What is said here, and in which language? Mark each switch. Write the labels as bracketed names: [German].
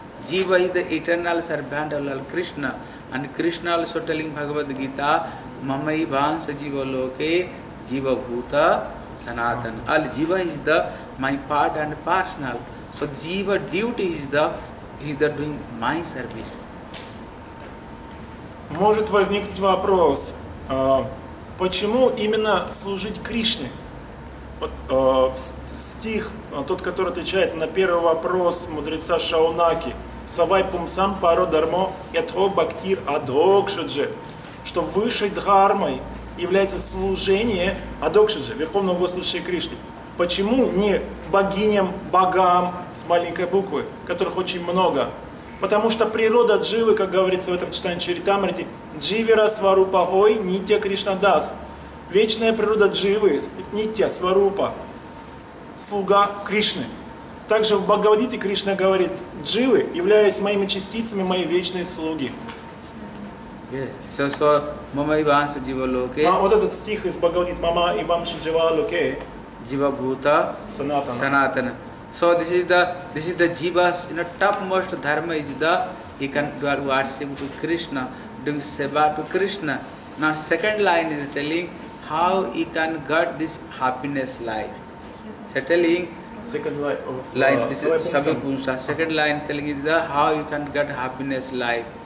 [English] Jiva is the eternal servant of Lord Krishna. And Krishna also telling Bhagavad Gita, [Sanskrit] Mamai Bhansa Jiva Loke Jiva Bhuta Sanatana. [English] All jiva is the my part and personal. So jiva duty is the doing my service. [Russian] Может возникнуть вопрос, почему именно служить Кришне? Вот стих, тот, который отвечает на первый вопрос мудреца Шаунаки, [Sanskrit] «Савай пумсам паро дармо ятхо бхактир адокшаджи», [Russian] что высшей дхармой является служение адокшаджи, Верховного Господа Шри Кришне. Почему не богиням, богам с маленькой буквы, которых очень много? Потому что природа дживы, как говорится в этом читании Чаритамрити, [Bangla] дживира сварупахой нитья Кришна дас. [Russian] Вечная природа дживы, нитья, сварупа, слуга Кришны. Также в Бхагавадите Кришна говорит, дживы, являясь моими частицами, мои вечные слуги. Вот этот стих из Бхагавадит, [Sanskrit] мама иванса джива луке. Jiva Bhuta Sanatana. Sanatana. [English] So this is the jiva's, you know, topmost dharma is the he can do worship to Krishna, doing seva to Krishna. Now second line is telling how he can get this happiness life. So telling second line telling is the how you can get happiness life.